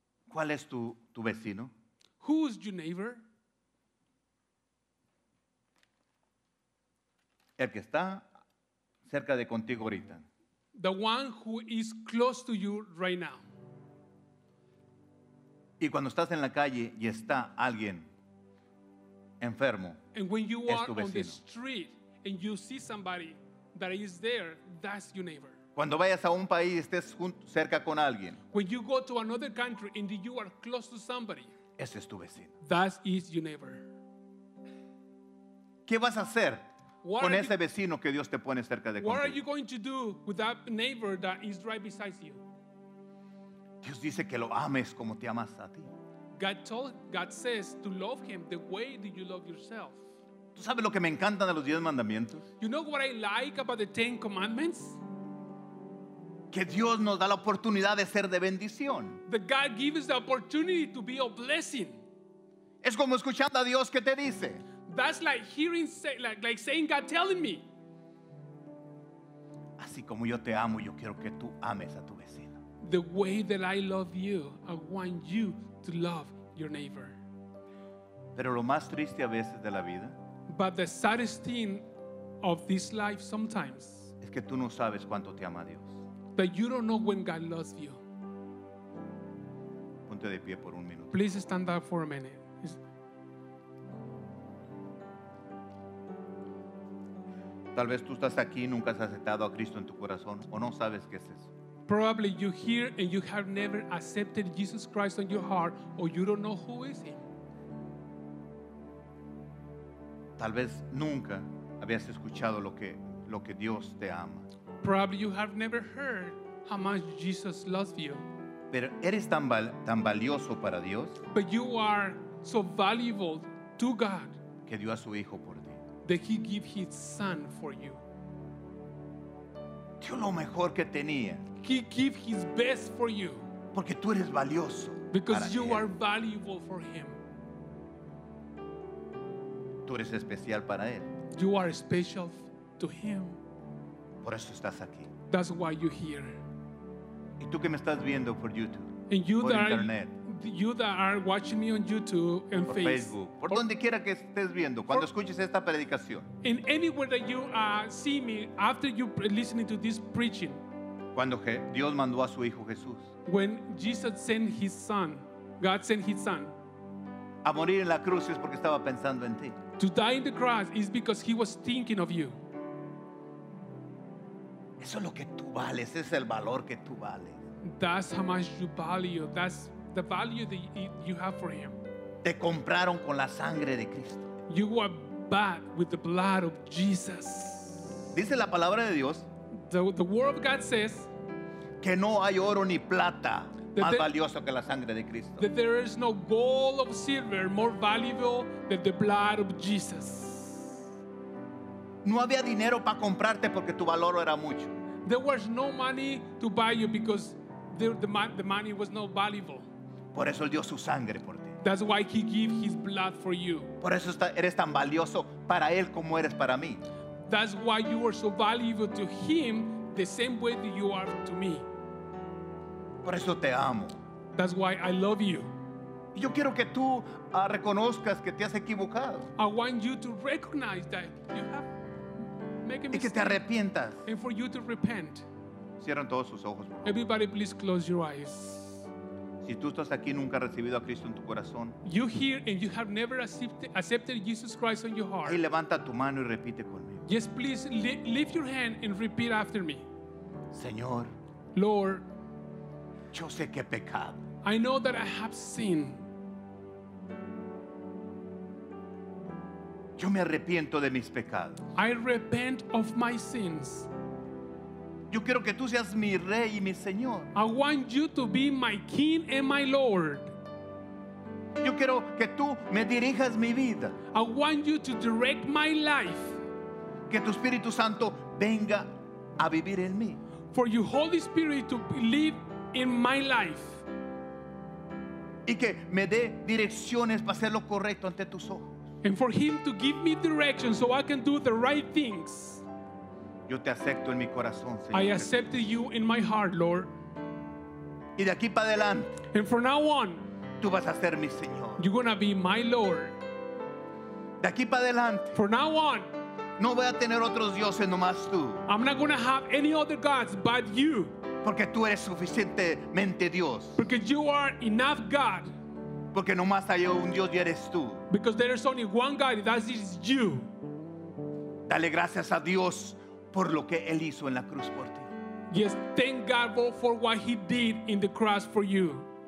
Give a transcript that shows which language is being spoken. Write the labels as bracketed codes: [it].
[es] ¿Cuál es tu vecino? [en] Who is your neighbor? [es] El que está cerca de contigo ahorita. [en] The one who is close to you right now. [es] Y cuando estás en la calle y está alguien enfermo, [en] and when you are on the street and you see somebody that is there, that's your neighbor. [es] Cuando vayas a un país y estés cerca con alguien, [en] when you go to another country and you are close to somebody, [es] ese es tu vecino. [en] That is your neighbor. [es] ¿Qué vas a hacer con ese vecino que Dios te pone cerca de contigo? [en] What are you going to do with that neighbor that is right beside you? [es] Dios dice que lo ames como te amas a ti. [en] God says to love him the way that you love yourself. [es] ¿Tú sabes lo que me encantan de los 10 mandamientos? [en] You know what I like about the 10 commandments? [es] Que Dios nos da la oportunidad de ser de bendición. [en] That God gives the opportunity to be a blessing. [es] Es como escuchando a Dios que te dice. [en] That's like hearing, like saying God telling me. [es] Así como yo te amo, yo quiero que tú ames a tu vecino. [en] The way that I love you, I want you to love your neighbor. [es] Pero lo más triste a veces de la vida. [en] But the saddest thing of this life sometimes. [es] Es que tú no sabes cuánto te ama Dios. [en] That you don't know when God loves you. [es] Ponte de pie por un minuto. [en] Please stand up for a minute. [es] Tal vez tú estás aquí y nunca has aceptado a Cristo en tu corazón o no sabes qué es eso. [en] Probably you're here and you have never accepted Jesus Christ on your heart or you don't know who is him. [es] Tal vez nunca habías escuchado lo que Dios te ama. [en] Probably you have never heard how much Jesus loves you. [es] Pero eres tan valioso para Dios. [en] But you are so valuable to God. [es] Que dio a su hijo por ti. [en] That he give his son for you. [es] Dio lo mejor que tenía. [en] He give his best for you. [es] Porque tú eres valioso. [en] Because you are valuable for him. [es] Tú eres especial para él. [en] You are special to him. [es] Por eso estás aquí. [en] That's why you're here. [es] Y tú que me estás viendo por YouTube. [en] And you [es] por [en] that internet. You that are watching me on YouTube and [es] Facebook, por donde quiera que estés viendo, cuando escuches esta predicación, [en] in anywhere that you see me after you listening to this preaching, [es] cuando Dios mandó a su hijo Jesús, [en] when Jesus sent his son, God sent his son, [es] a morir en la cruz es porque estaba pensando en ti. [en] To die in the cross is because he was thinking of you. [es] Eso es lo que tú vales, es el valor que tú vales. [en] That's how much you value. That's the value that you have for him. [es] Te compraron con la sangre de Cristo. [en] You were bought with the blood of Jesus. [es] Dice la palabra de Dios. [en] The word of God says. [es] Que no hay oro ni plata más valioso que la sangre de Cristo. [en] That there is no gold or silver more valuable than the blood of Jesus. [es] No había dinero para comprarte porque tu valor era mucho. [en] There was no money to buy you because the money was not valuable. [es] Por eso él dio su sangre por ti. [en] That's why he gave his blood for you. [es] Por eso eres tan valioso para él como eres para mí. [en] That's why you are so valuable to him the same way that you are to me. [es] Por eso te amo. [en] That's why I love you. [es] Y yo quiero que tú reconozcas que te has equivocado. [en] I want you to recognize that you have made a mistake. [es] Y que te arrepientas. [en] And for you to repent. [es] Cierran todos sus ojos. [en] Everybody please close your eyes. [es] Si tú estás aquí nunca has recibido a Cristo en tu corazón. [en] You here and you have never accepted Jesus Christ on your heart. [es] Y levanta tu mano y repite conmigo. [en] Yes, please lift your hand and repeat after me. [es] Señor. [en] Lord. [es] Yo sé que he pecado. [en] I know that I have sinned. [es] Yo me arrepiento de mis pecados. [en] I repent of my sins. [es] Yo quiero que tú seas mi rey y mi señor. [en] I want you to be my king and my lord. [es] Yo quiero que tú me dirijas mi vida. [en] I want you to direct my life. [es] Que tu Espíritu Santo venga a vivir en mí. [en] for you, Holy Spirit, to live in my life. [es] Y que me dé direcciones para hacer lo correcto ante tus ojos. [en] And for him to give me direction so I can do the right things. [es] Yo te acepto en mi corazón, Señor. [en] I accept you in my heart, Lord. [es] Y de aquí para adelante, [en] and from now on, [es] tú vas a ser mi Señor. [en] You're going to be my Lord. [es] De aquí para adelante, [en] from now on, [es] no voy a tener otros dioses, nomás tú. [en] I'm not going to have any other gods but you. [es] Porque tú eres suficientemente Dios. [en] Because you are enough God. [es] Porque nomás hay un Dios y eres tú. [en] Because there is only one God, that is you. [es] Dale gracias a Dios por lo que Él hizo en la cruz por ti. [en] Yes, thank God for what He did in the cross for you.